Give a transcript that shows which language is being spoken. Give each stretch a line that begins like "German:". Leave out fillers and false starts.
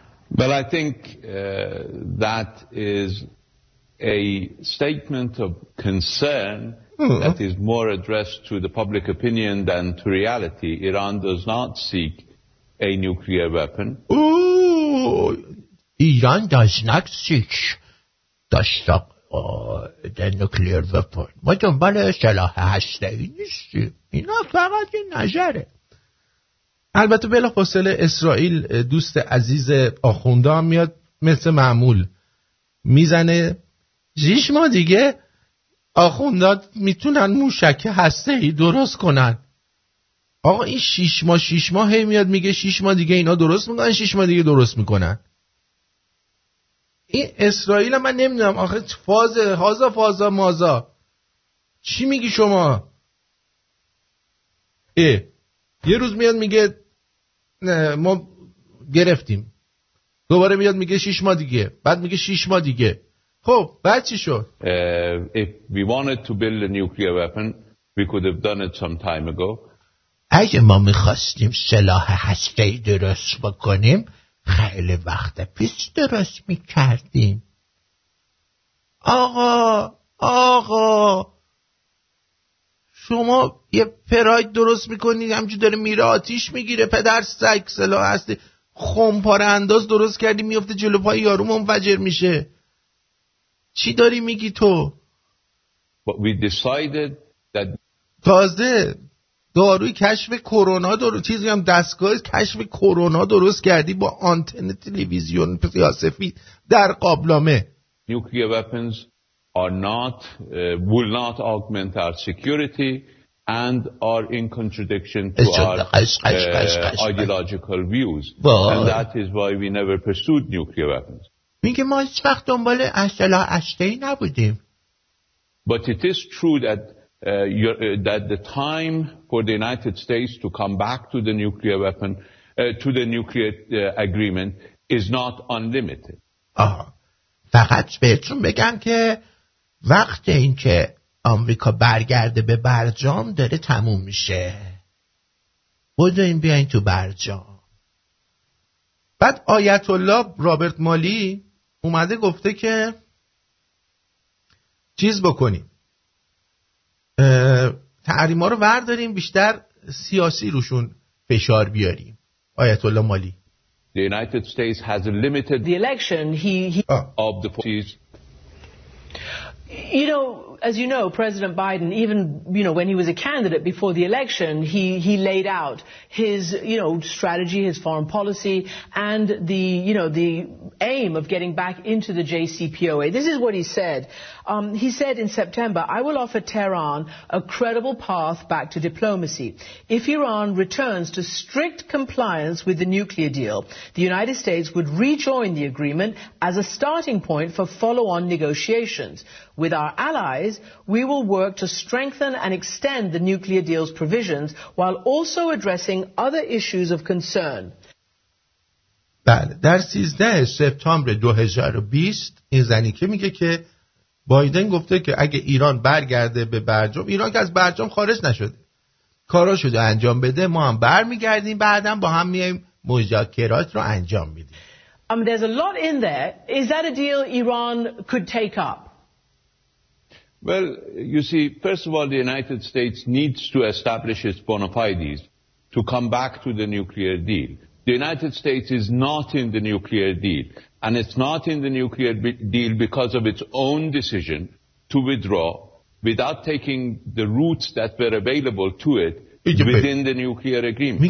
English: Well, I think that is a statement of concern that is more addressed to the public opinion than to reality. Iran does not seek a nuclear weapon. Ooh, Iran does not seek the nuclear weapon.
Persian: ما دنبال سلاح هسته‌ای نیستیم. اینا فقط نظره. البته بلافاصله اسرائیل دوست عزیز آخونده هم میاد مثل معمول میزنه جیش ما دیگه آخونده میتونن موشک هسته‌ای درست کنن آقا این شیش ماه هی میاد میگه شیش ماه دیگه اینا درست میکنن شیش ماه دیگه درست میکنن این اسرائیل هم من نمیدونم آخه فازه هازا فازا مازا چی میگی شما ای یه روز میاد میگه نه ما گرفتیم دوباره میاد میگه شیش ماه دیگه بعد میگه شیش ماه دیگه خب بعد چی شد
English: if we wanted to build a nuclear weapon we could have done it some time ago
Persian: اگه ما میخواستیم سلاح هسته‌ای درست بکنیم خیلی وقت پیش درست میکردیم آقا شما یه پراید درست میکنی همچون داره میره آتیش میگیره پدر سک سلاح هستی خمپاره انداز درست کردی میفته جلو پای یارو منفجر میشه چی داری میگی تو
English: But we decided that
Persian: تازه داروی کشف کرونا درست چیزی هم دستگاه کشف کرونا درست کردی با آنتن تلویزیون سیاه‌سفید در قابلمه.
English: Nuclear weapons are not will not augment our security and are in contradiction to our ideological views. And that is why we never pursued nuclear weapons.
Persian: میگه ما هیچ وقت دنبال اسلحه هسته‌ای نبودیم.
English: But it is true that that the time for the United States to come back to the nuclear weapon to the nuclear agreement is not unlimited.
Persian: آها. فقط بهتون بگم که وقت این که آمریکا برگرده به برجام داره تموم میشه. بودین بیاین تو برجام. بعد آیت الله رابرت مالی اومده گفته که چیز بکنیم. تحریم ها رو ورداریم بیشتر سیاسی روشون فشار بیاریم. آیت الله مالی.
English: The United States has a limited the election of the parties. You know, as you know, President Biden, even, you know, when he was a candidate before the election, he laid out his, you know, strategy, his foreign policy, and the, you know, the aim of getting back into the JCPOA. This is what he said. He said in September, I will offer Tehran a credible path back to diplomacy. If Iran returns to strict compliance with the nuclear deal, the United States would rejoin the agreement as a starting point for follow-on negotiations. With our allies, we will work to strengthen and extend the nuclear deal's provisions while also addressing other issues of concern.
Persian: بله. در 13 سپتامبر 2020 این زنی که میگه که بایدن گفته که اگه ایران برگرده به برجام، ایران که از برجام خارج نشده کاراشو انجام بده، ما هم برمیگردیم بعدم با هم میایم مذاکرات رو انجام میدیم.
English: There's a lot in there. Is that a deal Iran could take up? Well, you see, first of all, the United States needs to establish its bona fides to come back to the nuclear deal. The United States is not in the nuclear deal, and it's not in the nuclear deal because of its own decision to withdraw without taking the routes that were available to it within the nuclear agreement.